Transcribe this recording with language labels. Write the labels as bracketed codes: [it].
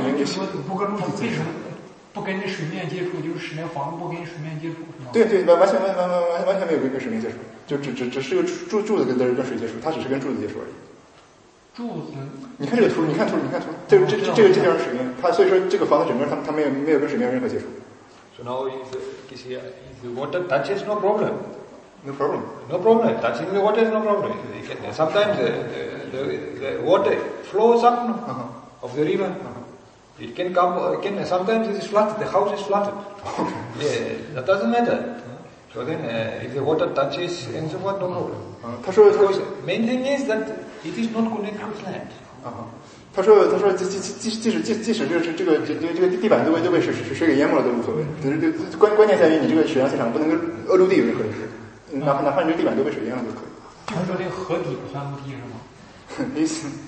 [zh] 你说不跟水，为什么不跟这水面接触？就是使那房子不跟水面接触，是吗？对对，完全没有跟水面接触，就只是个柱子跟水接触，它只是跟柱子接触而已。柱子，你看这个图，你看图，这个这地方是水面，它所以说这个房子整个它没有跟水面任何接触。 [en] So now is the water touch is no problem. No problem. No problem. Touching the water is no problem. Sometimes the water flows up of the river. It can come. Can sometimes it is flooded. The house is flooded. Yeah, that doesn't matter. So then, if the water touches and so forth, no problem. [zh] 他说，他说 [en] main thing is that it is not connected with land. [zh] 他说即使这个地板都被水给淹没了都无所谓。关键在于你这个水上现场不能跟陆地有任何联系，哪怕你这地板都被水淹了都可以。就是说这个河底不算陆地是吗？